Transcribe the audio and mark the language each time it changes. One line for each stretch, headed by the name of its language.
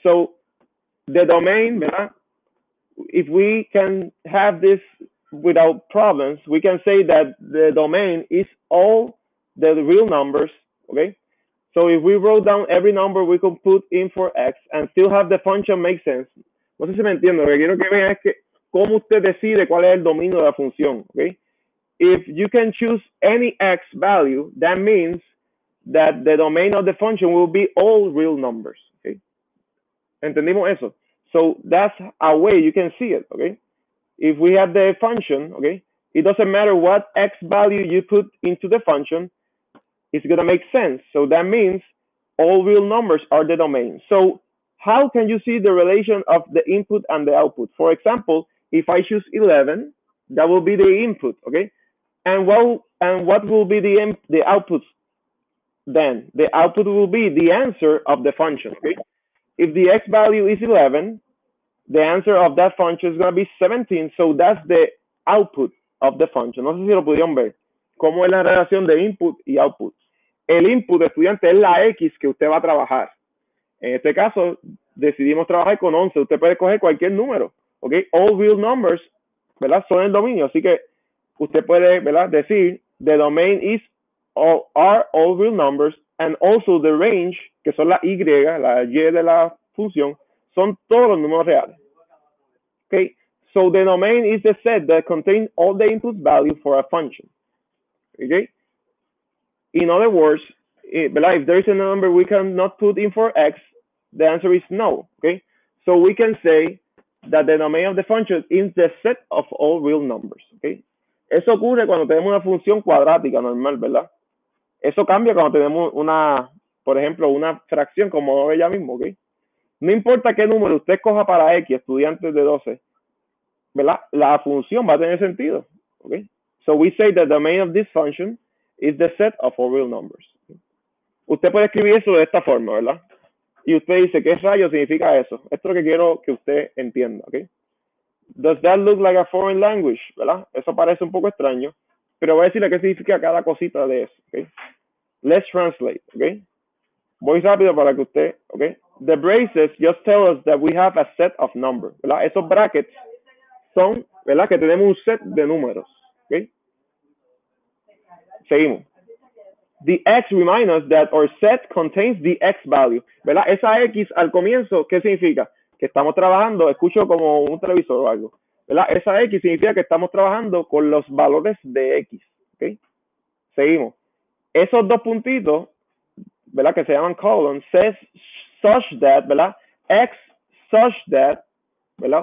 English: So the domain, ¿verdad? If we can have this without problems, we can say that the domain is all the real numbers, okay? So if we wrote down every number we can put in for x and still have the function make sense.
Spanish: No sé si me entiendo. Lo que quiero que vean es que cómo usted decide cuál es el dominio de la función, ¿okay?
English: if you can choose any x value, that means that the domain of the function will be all real numbers. Okay,
Spanish: entendimos eso.
English: So that's a way you can see it. Okay, if we have the function, okay, it doesn't matter what x value you put into the function, it's gonna make sense. So that means all real numbers are the domain. So how can you see the relation of the input and the output? For example, if I choose 11, that will be the input, okay? And what will be the output then? The output will be the answer of the function, okay? If the x value is 11, the answer of that function is gonna be 17, so that's the output of the function.
Spanish: No sé si lo pudieron ver. ¿Cómo es la relación de input y output? El input, estudiante, es la x que usted va a trabajar. En este caso, decidimos trabajar con 11. Usted puede coger cualquier número, ¿ok?
English: All real numbers,
Spanish: ¿verdad? Son el dominio. Así que usted puede, ¿verdad? Decir,
English: the domain is all, are all real numbers, and also the range,
Spanish: que son la Y, la Y de la función, son todos los números reales. ¿Ok?
English: So the domain is the set that contains all the input values for a function. ¿Ok? In other words, if there is a number we cannot put in for x, the answer is no, okay? So we can say that the domain of the function is the set of all real numbers, okay?
Spanish: Eso ocurre cuando tenemos una función cuadrática normal, ¿verdad? Eso cambia cuando tenemos una, por ejemplo, una fracción como ella mismo, okay? No importa qué número usted coja para x, estudiantes de 12, ¿verdad? La función va a tener sentido, okay?
English: So we say that the domain of this function is the set of all real numbers.
Spanish: Usted puede escribir eso de esta forma, ¿verdad? Y usted dice, ¿qué rayos significa eso? Esto es lo que quiero que usted entienda, ¿ok?
English: Does that look like a foreign language,
Spanish: ¿verdad? Eso parece un poco extraño, pero voy a decirle qué significa cada cosita de eso, ¿ok?
English: Let's translate,
Spanish: ¿ok? Voy rápido para que usted, ¿ok?
English: The braces just tell us that we have a set of numbers, ¿verdad?
Spanish: Esos brackets son, ¿verdad? Que tenemos un set de números, ¿ok? Seguimos.
English: The X reminds us that our set contains the X value.
Spanish: ¿Verdad? Esa X al comienzo, ¿qué significa? Que estamos trabajando, escucho como un televisor o algo. ¿Verdad? Esa X significa que estamos trabajando con los valores de X. ¿Ok? Seguimos. Esos dos puntitos, ¿verdad? Que se llaman colon,
English: says such that,
Spanish: ¿verdad? X such that, ¿verdad?